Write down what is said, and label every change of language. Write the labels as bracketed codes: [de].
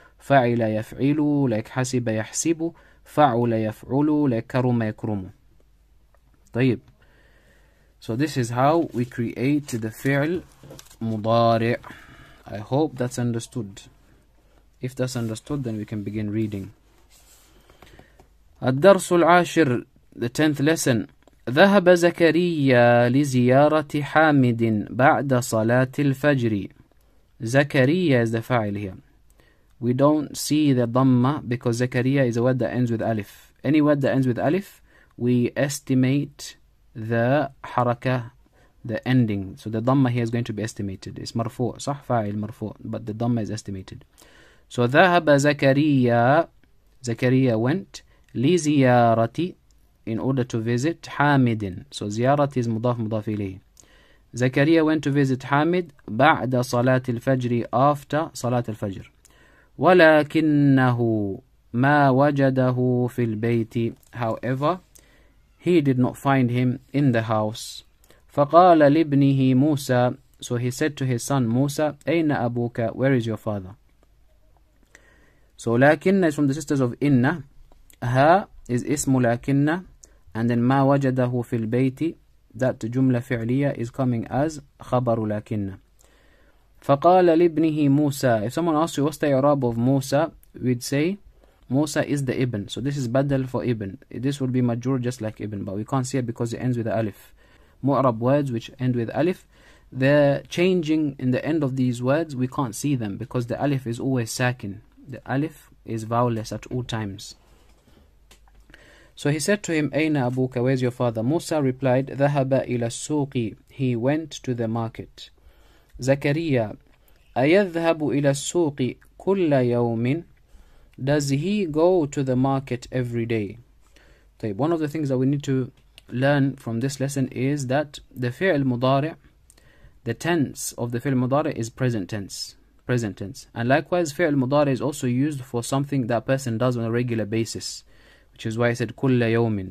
[ar] Fa'ila yaf'ilu, [en] like [ar] hasiba yahsibu. Fa'ula yaf'ulu, like karuma yakrumu. طيب. [en] So this is how we create the fi'l mudari'. I hope that's understood. If that's understood, then we can begin reading. [ar] الدرس العاشر, [en] the 10th lesson. [ar] ذهب زكريا لزيارة حامد بعد صلاة الفجر. [en] زكريا is the فاعل here. We don't see the Dhamma because Zakariya is a word that ends with Alif. Any word that ends with Alif, we estimate the Haraka, the ending. So the Dhamma here is going to be estimated. It's Marfu, [ar] صح فاعل مرفوع, [en] but the Dhamma is estimated. So [ar] ذهب زكريا, [en] Zakariya went, [ar] لزيارتي, [en] in order to visit Hamidin. So زيارتي is [ar] مضاف مضاف إليه. [en] زكريا went to visit Hamid [ar] بعد صلاة الفجر, [en] after صلاة الفجر. [ar] ولكنه ما وجده في البيت. [en] However, he did not find him in the house. [ar] فقال لابنه موسى. [en] So he said to his son موسى, [ar] أين أبوك? [en] Where is your father? So لكن is from the sisters of إن. [ar] ها is اسم لكن. [en] And then [ar] ما وجده في البيت, that جملة فعلية [en] is coming as [ar] خبر لكن. فقال لابنه موسى. [en] If someone asks you what's the Arab of موسى, we'd say موسى is the ibn. So this is بدل for ibn. This would be مجرور just like ibn, but we can't see it because it ends with alif. Mu'rab words which end with alif, they're changing in the end of these words. We can't see them because the alif is always sakin. The alif is vowelless at all times. So he said to him, [ar] أين أبوك? [en] Where's your father? [ar] موسى replied, ذهب إلى السوق. [en] He went to the market. [ar] زكريا أيذهب إلى السوق كل يوم? [en] Does he go to the market every day? طيب, one of the things that we need to learn from this lesson is that the فعل مضارع, the tense of the فعل مضارع is present tense. And likewise, فعل مضارع is also used for something that a person does on a regular basis, which is why I said [ar] كل يوم.